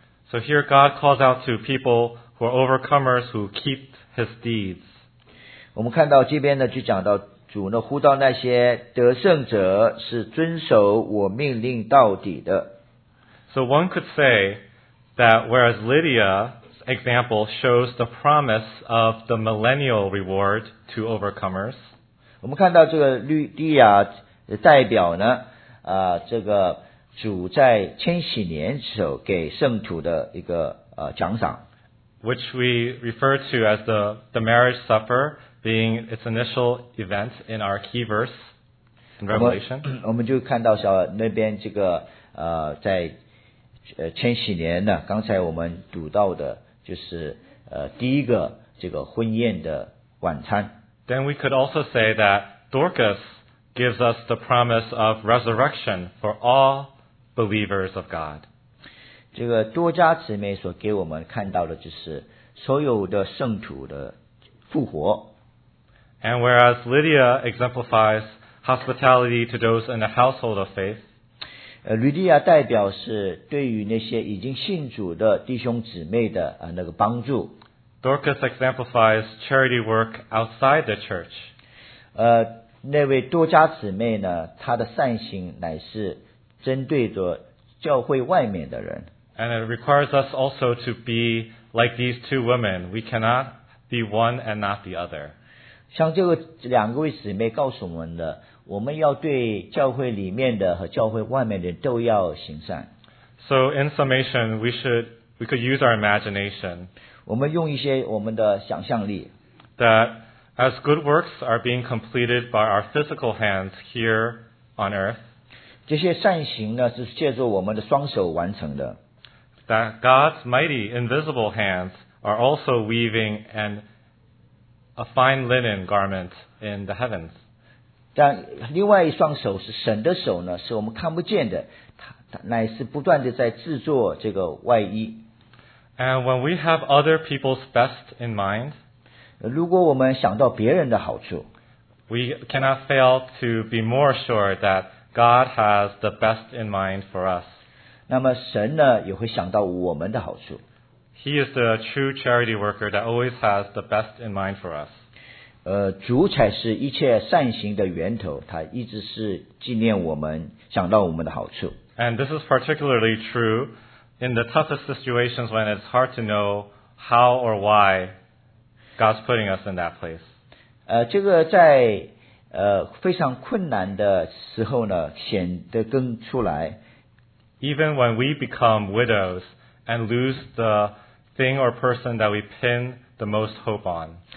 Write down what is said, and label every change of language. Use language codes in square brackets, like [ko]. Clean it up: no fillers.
[en] So here God calls out to people who are overcomers who keep his deeds. [zh] 我们看到这边呢就讲到主呢呼召那些得胜者是遵守我命令到底的。 [en] So one could say that whereas Lydia's example shows the promise of the millennial reward to overcomers. [zh] 我们看到这个律迪亚的代表呢这个主在千禧年时候给圣徒的一个奖赏 [en] ，which we refer to as the marriage supper being its initial event in our key verse in Revelation. [zh] 我们就看到小那边这个在千禧年呢，刚才我们读到的就是第一个这个婚宴的晚餐。 [en] Then we could also say that Dorcas gives us the promise of resurrection for all. Believers of God. [zh] 这个多加姊妹所给我们看到的就是所有的圣徒的复活。 [en] And whereas Lydia exemplifies hospitality to those in the household of faith, [zh] 吕迪亚代表是对于那些已经信主的弟兄姊妹的那个帮助。 [en] Dorcas exemplifies charity work outside the church. [zh] 那位多加姊妹呢，她的善行乃是针对着教会外面的人。 [en] And it requires us also to be like these two women. We cannot be one and not the other. [zh] 像这个两个位姊妹告诉我们的，我们要对教会里面的和教会外面的都要行善。 [en] So in summation, we could use our imagination. [zh] 我们用一些我们的想象力。 [en] That as good works are being completed by our physical hands here on earth, [zh] 这些善行呢是借助我们的双手完成的。 [en] That God's mighty invisible hands are also weaving a fine linen garment in the heavens. [zh] 但另外一双手是神的手呢，是我们看不见的，它乃是不断的在制作这个外衣。 [en] And when we have other people's best in mind, [zh] 如果我们想到别人的好处， [en] we cannot fail to be more sure that God has the best in mind for us. [zh] 那么神呢也会想到我们的好处。 [en] He is the true charity worker that always has the best in mind for us. [zh] 主才是一切善行的源头，他一直是纪念我们，想到我们的好处。 [en] And this is particularly true in the toughest situations when it's hard to know how or why God's putting us in that place. [zh] 这个在非常困难的时候呢，显得更出来。 [en] Even when we become widows and lose the thing or person that we pin the most hope on.